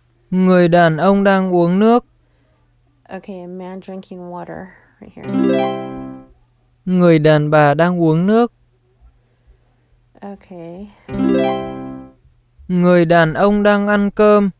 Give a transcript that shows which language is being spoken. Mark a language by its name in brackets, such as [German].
[Vietnamese] Người đàn ông đang uống nước. [English] Okay, a man drinking water right here. [Vietnamese] Người đàn bà đang uống nước. [English] Okay. [Vietnamese] Người đàn ông đang ăn cơm.